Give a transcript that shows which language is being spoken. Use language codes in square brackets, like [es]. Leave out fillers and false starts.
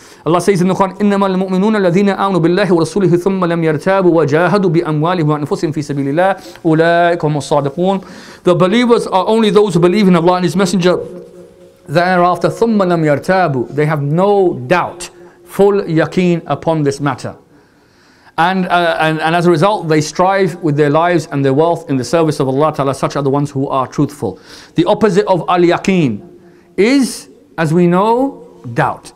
[en] Allah says in the Quran, [ar] إِنَّمَا الْمُؤْمِنُونَ الَّذِينَ آمَنُوا بِاللَّهِ وَرَسُولِهِ ثُمَّ لَمْ يَرْتَابُوا وَجَاهَدُوا بِأَمْوَالِهِمْ وَأَنفُسِهِمْ فِي سَبِيلِ اللَّهِ أُولَٰئِكَ هُمُ الصَّادِقُونَ. [en] The believers are only those who believe in Allah and His Messenger. Thereafter, [ar] ثُمَّ لَمْ يَرْتَابُوا. [en] They have no doubt, full yaqeen upon this matter. And as a result, they strive with their lives and their wealth in the service of Allah Ta'ala. Such are the ones who are truthful. The opposite of al-yaqeen is, as we know, doubt.